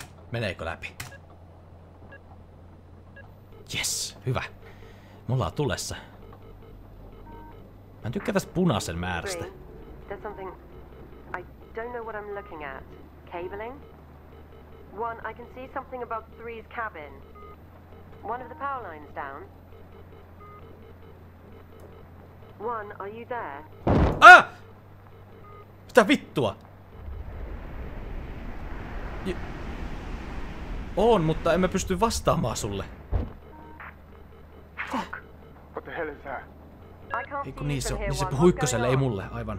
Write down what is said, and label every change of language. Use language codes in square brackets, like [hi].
[fi] Meneekö läpi? Yes, hyvä. Mulla on tulessa. Mä tykkään tästä punaisen määrästä. [en] There's something I don't know what I'm looking at. Cabling? One, I can see something above Three's cabin. One of the power lines down. One, are you there? [fi] Ah! Mitä vittua? On, mutta en mä pysty vastaamaan sulle. [en] Fuck. What the hell is that? [fi] Ei kun niin, se puhui ykköselle, ei mulle, aivan.